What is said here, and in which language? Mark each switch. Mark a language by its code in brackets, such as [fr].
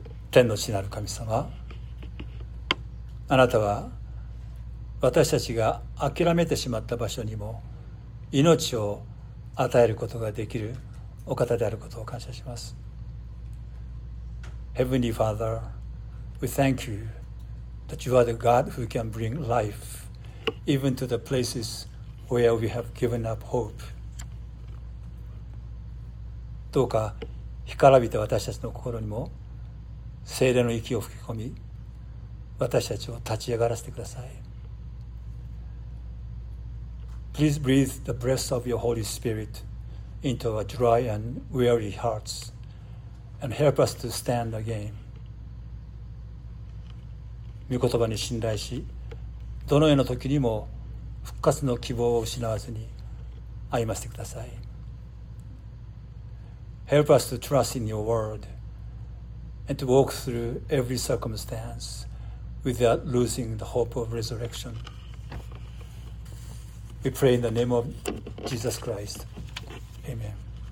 [ja] 天の父なる神様、あなたは私たちが諦めてしまった場所にも命を与えることができるお方であることを感謝します。 [en] Heavenly Father, we thank you that you are the God who can bring life even to the placeswhere we have given up hope. [ja] どうか干からびた私たちの心にも聖霊の息を吹き込み、私たちを立ち上がらせてください。 [en] Please breathe the breath of your Holy Spirit into our dry and weary hearts and help us to stand again. [ja] 御言葉に信頼し、どのような時にも復活の希望を失わずに歩ませてください。 [en] Help us to trust in your word and to walk through every circumstance without losing the hope of resurrection. We pray in the name of Jesus Christ. Amen.